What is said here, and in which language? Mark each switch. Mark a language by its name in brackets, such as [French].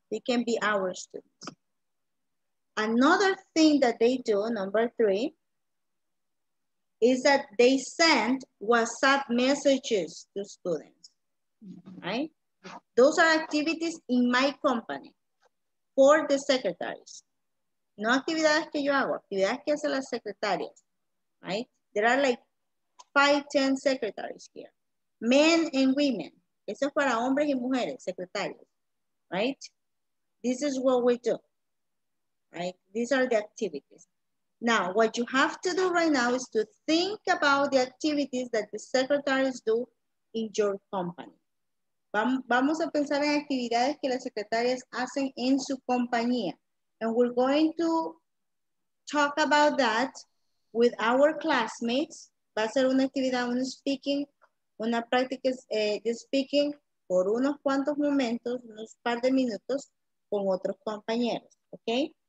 [English] They can be our students. Another thing that they do, number three, is that they send WhatsApp messages to students, right? Those are activities in my company for the secretaries. [Spanish] No actividades que yo hago, actividades que hacen las secretarias, right? [English] There are like 5-10 secretaries here, men and women. [Spanish] Eso es para hombres y mujeres, secretarios, right? [English] This is what we do. Right? These are the activities. Now, what you have to do right now is to think about the activities that the secretaries do in your company. [Spanish] Vamos a pensar en actividades que las secretarias hacen en su compañía. [English] And we're going to talk about that with our classmates. [Spanish] Va a ser una actividad, un speaking, una práctica de speaking por unos cuantos momentos, unos par de minutos con otros compañeros, ¿ok?